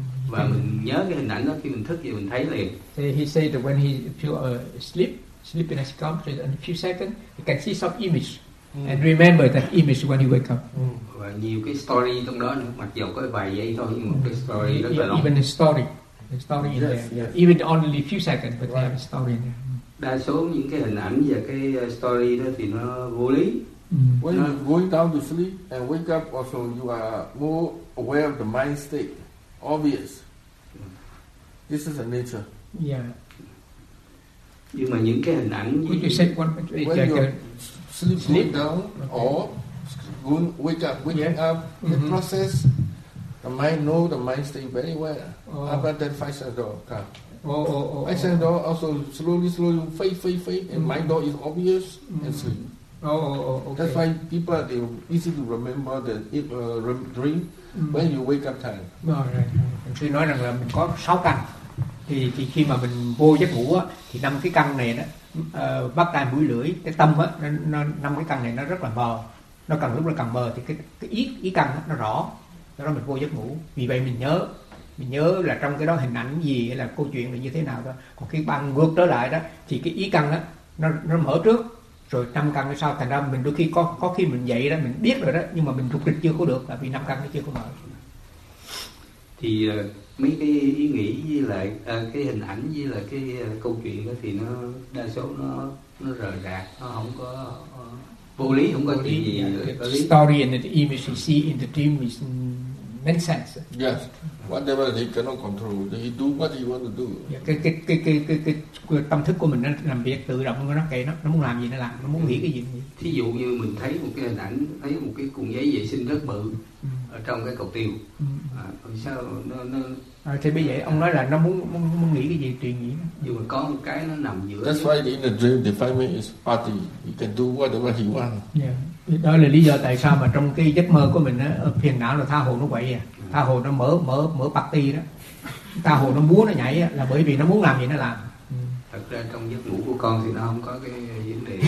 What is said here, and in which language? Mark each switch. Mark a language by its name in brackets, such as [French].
[Vietnamese] Và mình nhớ cái hình ảnh đó khi mình thức thì mình thấy liền. [English] So he said that when he feel sleepiness comes in a few seconds, he can see some image and remember that image when he wake up. [Vietnamese] Và nhiều cái story trong đó, mặc dù có vài giây thôi nhưng mà cái story rất là long. [English] Even the story in there. Yes. Even only a few seconds, but they have a story in there. [Vietnamese] Đa số những cái hình ảnh và cái story đó thì nó vô lý. [English] When you're going down to sleep and wake up, also you are more aware of the mind state. Obvious. This is the nature. Yeah. [Vietnamese] Nhưng mà những cái hình ảnh [English] như you said one, when you're sleep down or going wake up, the process, the mind know the mind stay very well. Oh. About that five Sayadaw come. Oh. Five Sayadaw also slowly fade, and mind door is obvious and sleep. Okay. That's why people are easy to remember the dream when you wake up time. Right. [Vietnamese] Tôi nói rằng là mình có 6 căn, thì khi mà mình vô giấc ngủ á, thì 5 cái căn này đó, bắt tai mũi lưỡi, cái tâm á, nó 5 cái căn này nó rất là mờ, nó càng lúc nó càng mờ thì cái ý căn nó rõ, đó mình vô giấc ngủ, vì vậy mình nhớ là trong cái đó hình ảnh gì hay là câu chuyện là như thế nào đó. Còn khi băng ngược trở lại đó, thì cái ý căn đó nó mở trước. Rồi 5 căn nó sao thành ra mình đôi khi có khi mình dậy đó mình biết rồi đó nhưng mà mình rục rịch chưa có được là vì 5 căn nó chưa có mở. Thì mấy cái ý nghĩ với lại cái hình ảnh với lại cái câu chuyện đó thì nó đa số nó rời rạc, nó không có vô lý, không có gì [English] story and the image you see in the dream is main sense. Yes, whatever he cannot control, he do what he want to do. [Vietnamese] Yeah, cái tâm thức của mình nó làm việc tự động, nó kệ nó muốn làm gì nó làm, nó muốn nghĩ cái gì. Thí dụ như mình thấy một cái hình ảnh, thấy một cái cuộn giấy vệ sinh rất bự ở trong cái cầu tiêu. Sao nó thì bây giờ ông nói là nó muốn nghĩ cái gì truyền nghĩ. Dù mà có một cái nó nằm giữa. [English] That's why in the dream defilement is party. He can do whatever he want. Yeah. [Vietnamese] Đó là lý do tại sao mà trong cái giấc mơ của mình á, phiền não là tha hồ nó quậy à, tha hồ nó mở party đó, tha hồ nó múa nó nhảy á, là bởi vì nó muốn làm gì nó làm. Thật ra trong giấc ngủ của con thì nó không có cái vấn đề.